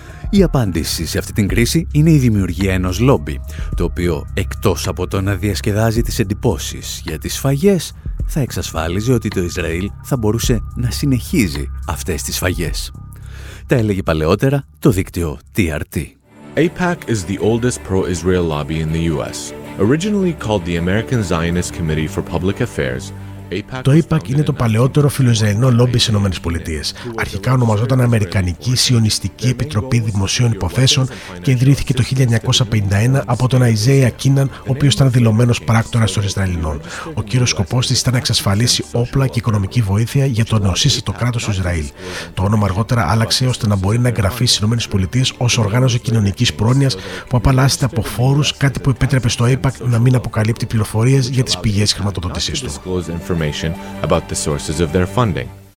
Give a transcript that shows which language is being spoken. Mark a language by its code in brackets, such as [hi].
[el] Η απάντηση σε αυτή την κρίση είναι η δημιουργία ενός λόμπι, το οποίο εκτός από το να διασκεδάζει τις εντυπώσεις για τις σφαγές, θα εξασφάλιζε ότι το Ισραήλ θα μπορούσε να συνεχίζει αυτές τις σφαγές. Τα έλεγε παλαιότερα το δίκτυο TRT. [en] AIPAC is the oldest pro-Israel lobby in the US. Originally called the American Zionist Committee for Public Affairs, [el] το AIPAC είναι το παλαιότερο φιλοϊσραηλινό λόμπι στις Ηνωμένες Πολιτείες. Αρχικά ονομαζόταν Αμερικανική Σιωνιστική Επιτροπή Δημοσίων Υποθέσεων και ιδρύθηκε το 1951 από τον Αϊζέια Κίναν, ο οποίος ήταν δηλωμένος πράκτορας των Ισραηλινών. Ο κύριος σκοπός της ήταν να εξασφαλίσει όπλα και οικονομική βοήθεια για το νεοσύστατο κράτος του Ισραήλ. Το όνομα αργότερα άλλαξε ώστε να μπορεί να εγγραφεί στις Ηνωμένες Πολιτείες ως οργάνωση κοινωνικής πρόνοιας που απαλλάσσεται από φόρους, κάτι που επέτρεπε στο AIPAC να μην αποκαλύπτει πληροφορίες για τις πηγές χρηματοδότησής του. [en] Information about the sources of their funding.